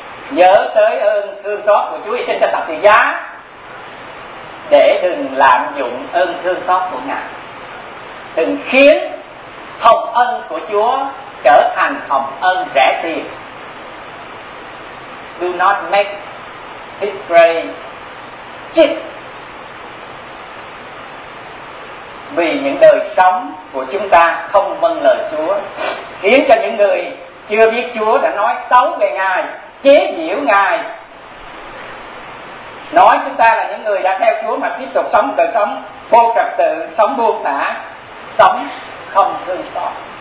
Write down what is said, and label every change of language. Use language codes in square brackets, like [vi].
[vi] Nhớ tới ơn thương xót của Chúa hy sinh trên thập tự giá để đừng lạm dụng ơn thương xót của Ngài, đừng khiến hồng ân của Chúa trở thành hồng ân rẻ tiền. [en] Do not make His grace cheap. [vi] Vì những đời sống của chúng ta không vâng lời Chúa, khiến cho những người chưa biết Chúa đã nói xấu về Ngài, chế giễu Ngài, nói chúng ta là những người đã theo Chúa mà tiếp tục sống đời sống vô trật tự, sống buông thả, sống không thương xót.